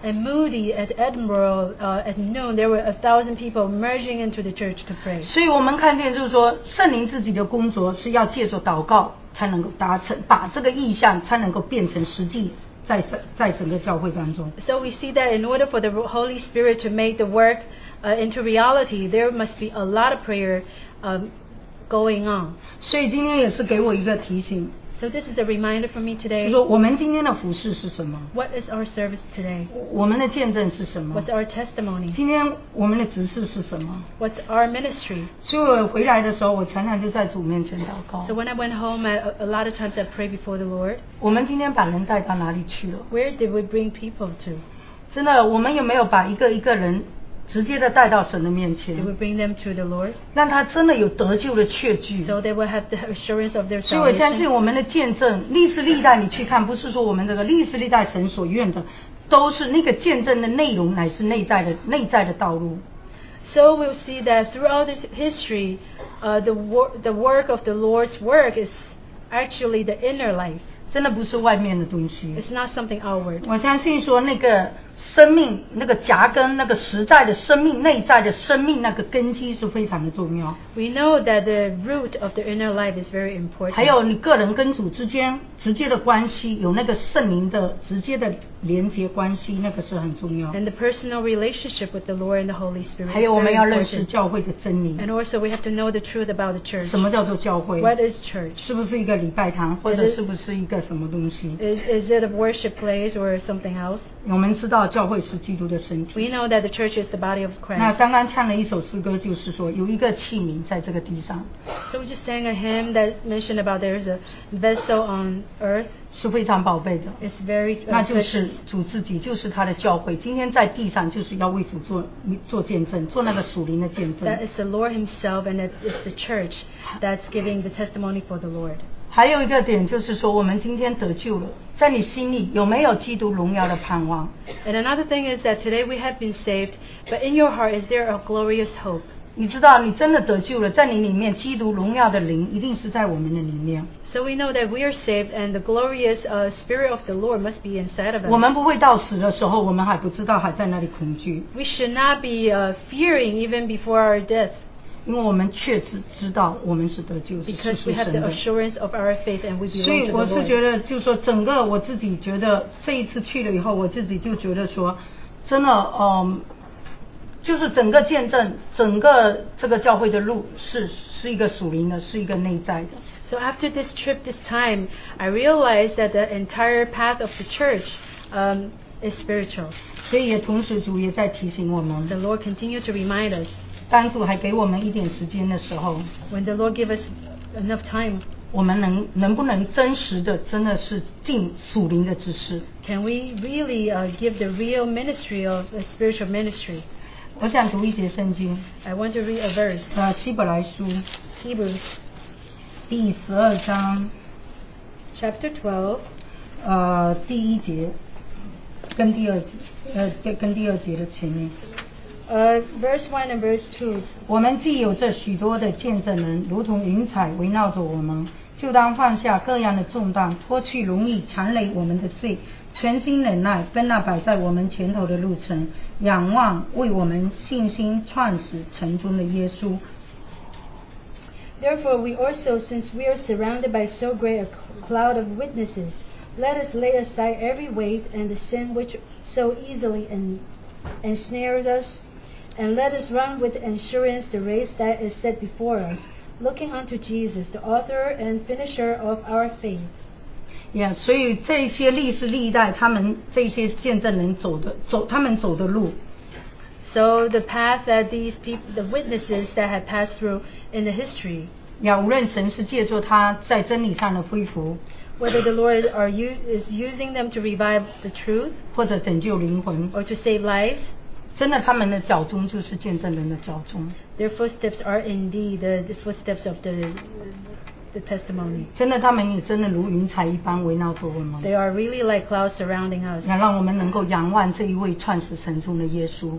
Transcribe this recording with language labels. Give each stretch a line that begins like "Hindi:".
English: And Moody at Edinburgh, at noon, there were 1,000 people merging into the church to pray.
Chinese: 所以我们看见就是说，圣灵自己的工作是要借着祷告才能够达成，把这个意象才能够变成实际。在整个教会当中。
English: So we see that in order for the Holy Spirit to make the work, into reality, there must be a lot of prayer, going on.
Chinese: 所以今天也是给我一个提醒。
English: So this is a reminder for me today.
Chinese: 就说我们今天的服事是什么
English: ？What is our service today?
Chinese: 我们的见证是什么
English: ？What's our testimony?
Chinese: 今天我们的职事是什么
English: ？What's our ministry?
Chinese: 所以我回来的时候，我常常就在主面前祷告。
English: So when I went home, a lot of times I pray before the Lord.
Chinese: 我们今天把人带到哪里去了
English: ？Where did we bring people to?
Chinese: 真的，我们有没有把一个一个人直接的带到神的面前
English: ？Did we bring them to the Lord?
Chinese: 让他真的有得救的确据。
English: So they will have the assurance of their salvation.
Chinese: 所以我相信我们的见证，历史历代你去看，不是说我们这个历史历代神所愿的，都是那个见证的内容，乃是内在的道路。
English: So we'll see that throughout the history, the work of the Lord's work is actually the inner life.
Chinese: 真的不是外面的东西。
English: It's not something outward.
Chinese: 我相信说那个生命那个夹根那个实在的生命内在的生命那个根基是非常的重要
English: We know that the root of the inner life is very important
Chinese: 还有你个人跟主之间直接的关系有那个圣灵的直接的连接关系那个是很重要
English: And the personal relationship with the Lord and the Holy Spirit
Chinese: 还有我们要认识教会的真理
English: And also we have to know the truth about the church
Chinese: 什么叫做教会
English: What is church
Chinese: 是不是一个礼拜堂或者是不是一个什么东西
English: Is it a worship place or something else
Chinese: 我们知道教会是基督的身体
English: We know that the church is the body of Christ
Chinese: 那刚刚唱了一首诗歌就是说有一个器皿在这个地上
English: So we just sang a hymn that mentioned about there is a vessel on earth
Chinese: 是非常宝贝的
English: It's very precious
Chinese: 那就是主自己就是他的教会今天在地上就是要为主 做见证做那个属灵的见证
English: That is the Lord himself and it's the church that's giving the testimony for the Lord
Chinese: 还有一个点就是说我们今天得救了在你心里有没有基督荣耀的盼望
English: And another thing is that today we have been saved But in your heart is there a glorious hope
Chinese: 你知道你真的得救了在你里面基督荣耀的灵一定是在我们的里面
English: So we know that we are saved And the glorious spirit of the Lord must be inside of us
Chinese: 我们不会到死的时候我们还不知道还在那里恐惧
English: We should not be fearing even before our death
Chinese: 因为我们确实知道我们是得救
English: Because we have the assurance of our faith And we belong to the Lord
Chinese: 所以我是觉得就是说整个我自己觉得这一次去了以后我自己就觉得说真的就是整个见证整个这个教会的路 是一个属灵的是一个内在的
English: So after this trip this time I realized that the entire path of the church is spiritual
Chinese: 所以也同时主也在提醒我们
English: The Lord continued to remind us
Chinese: 当主还给我们一点时间的时候
English: When the Lord gave us enough time
Chinese: 我们 能不能真实的真的是进属灵的知识
English: Can we really give the real ministry of a spiritual ministry
Chinese: 我想读一节圣经
English: I want to read a verse
Chinese: 希伯来书
English: Hebrews
Chinese: 第十二章
English: Chapter 12
Chinese: 第一节跟第二节跟第二节的前面
English: Verse 1 and verse 2
Chinese: 我们既有这许多的见证人如同云彩围绕着我们就当放下各样的重担脱去容易缠累我们的罪全心忍耐奔那摆在我们前头的路程仰望为我们信心创始成终的耶稣
English: Therefore we also since we are surrounded by so great a cloud of witnesses let us lay aside every weight and the sin which so easily ensnares us and let us run with assurance the race that is set before us looking unto Jesus the author and finisher of our faith
Chinese: Yeah, 所以这些历史历代他们这些见证人他们走的路
English: So the path that these people the witnesses that have passed through in the history
Chinese: yeah, 无论神是借助他在真理上的恢复
English: Whether the Lord is using them to revive the truth
Chinese: 或者拯救灵魂
English: Or to save lives
Chinese: 真的他们的脚踪就是见证人的脚踪
English: Their footsteps are indeed the footsteps of the testimony
Chinese: 真的他们也真的如云彩一般围绕着我们
English: they are really like clouds surrounding us
Chinese: 让我们能够仰望这一位创始成终的耶稣